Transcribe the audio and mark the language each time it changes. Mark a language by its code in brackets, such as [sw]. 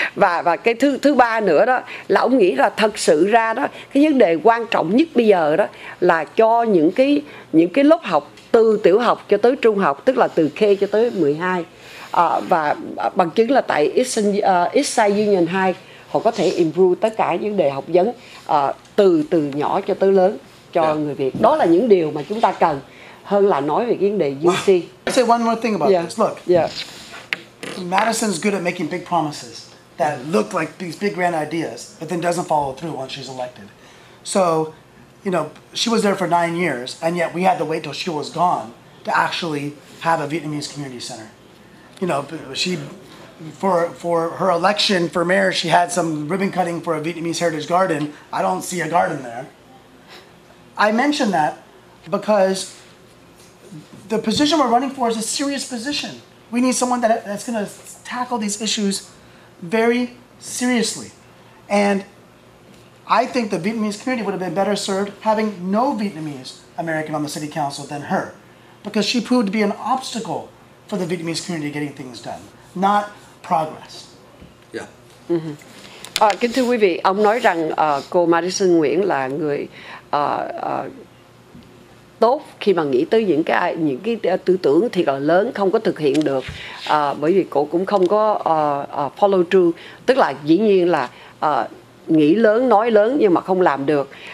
[vi] Và cái thứ ba nữa đó là ông nghĩ là thật sự ra đó, cái vấn đề quan trọng nhất bây giờ đó là cho những cái lớp học từ tiểu học cho tới trung học, tức là từ K cho tới 12. Và bằng chứng là tại Eastside Union High họ có thể improve tất cả vấn đề học vấn từ nhỏ cho tới lớn cho người Việt. Đó là những điều mà chúng ta cần hơn là nói về vấn đề UC. [en] I say one more thing about this. Look, Madison's good at making big promises that look like these big grand ideas, but then doesn't follow through once she's elected. So, you know, she was there for 9 years, and yet we had to wait till she was gone to actually have a Vietnamese community center. You know, she for her election for mayor, she had some ribbon cutting for a Vietnamese heritage garden. I don't see a garden there. I mention that because the position we're running for is a serious position. We need someone that's going to tackle these issues very seriously. And I think the Vietnamese community would have been better served having no Vietnamese American on the city council than her, because she proved to be an obstacle for the Vietnamese community getting things done, not progress. Yeah. [vi] Kính thưa quý vị, ông nói rằng cô Madison Nguyễn là người tốt khi mà nghĩ tới những cái tư tưởng thì là lớn không có thực hiện được, bởi vì cổ cũng không có [en] follow through, [vi] tức là dĩ nhiên là nghĩ lớn nói lớn nhưng mà không làm được.